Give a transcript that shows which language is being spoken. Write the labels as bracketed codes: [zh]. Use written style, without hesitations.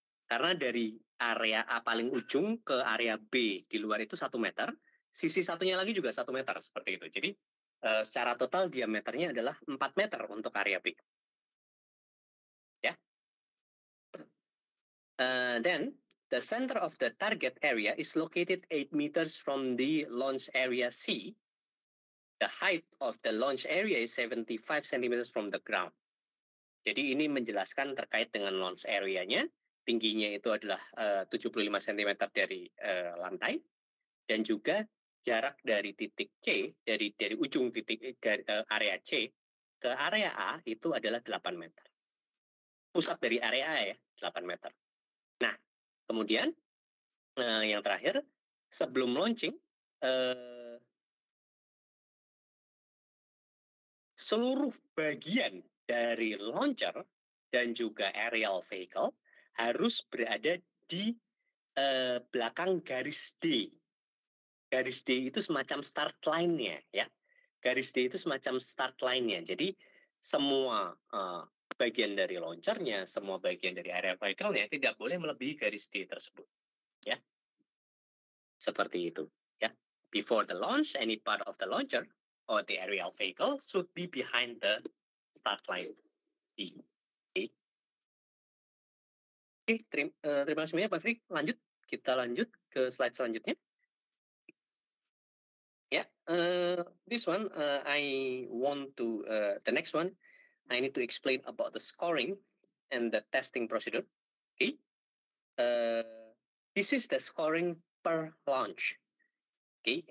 [id] Karena dari area A paling ujung ke area B di luar itu 1 meter, sisi satunya lagi juga 1 meter, seperti itu. Jadi secara total diameternya adalah 4 meter untuk area B. [en] Then, the center of the target area is located 8 meters from the launch area C. The height of the launch area is 75 cm from the ground. [id] Jadi ini menjelaskan terkait dengan launch area-nya. Tingginya itu adalah 75 cm dari lantai. Dan juga jarak dari titik C, dari ujung titik area C ke area A itu adalah 8 meter. Pusat dari area A ya, 8 meter. Nah, kemudian yang terakhir, sebelum launching, seluruh bagian dari launcher dan juga aerial vehicle harus berada di belakang garis D. Garis D itu semacam start line-nya, ya. Garis D itu semacam start line-nya. Jadi, semua bagian dari launchernya, semua bagian dari area vehicle-nya tidak boleh melebihi garis D tersebut, ya. Seperti itu, ya. [en] Before the launch, any part of the launcher or the aerial vehicle should be behind the start line D. Oke. [id] Oke, terima kasih banyak, Pak Fri. Lanjut, kita lanjut ke slide selanjutnya. [en] Ya, this one I want to the next one. I need to explain about the scoring and the testing procedure. Okay. This is the scoring per launch. Okay.